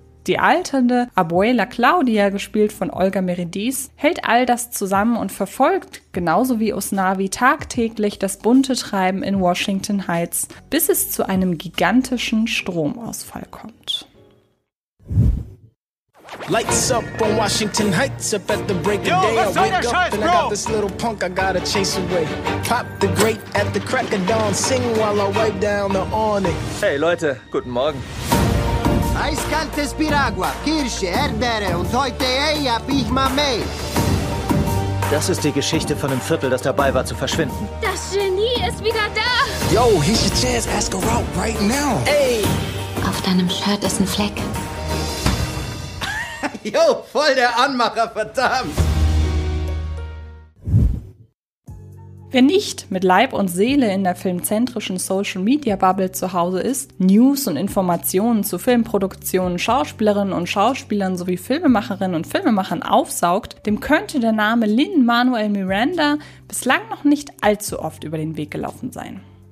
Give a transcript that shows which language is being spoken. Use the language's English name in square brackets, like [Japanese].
[German] Die alternde Abuela Claudia, gespielt von Olga Merediz, hält all das zusammen und verfolgt, genauso wie Usnavi, tagtäglich das bunte Treiben in Washington Heights, bis es zu einem gigantischen Stromausfall kommt. [English] Lights up on Washington Heights, up at the break of day. I wake up and I got this little punk I gotta chase away. Pop the grate at the crack of dawn, sing while I wipe down the awning. [German] Hey Leute, guten Morgen. Eiskaltes Piragua, Kirsche, Erdbeere und heute Eia Pichma May. Das ist die Geschichte von einem Viertel, das dabei war zu verschwinden. Das Genie ist wieder da. [English] Yo, here's your chance, ask her out right now. Ey. [German] Auf deinem Shirt ist ein Fleck. Yo, voll der Anmacher, verdammt. Wer nicht mit Leib und Seele in der filmzentrischen Social-Media-Bubble zu Hause ist, News und Informationen zu Filmproduktionen, Schauspielerinnen und Schauspielern sowie Filmemacherinnen und Filmemachern aufsaugt, dem könnte der Name Lin-Manuel Miranda bislang noch nicht allzu oft über den Weg gelaufen sein.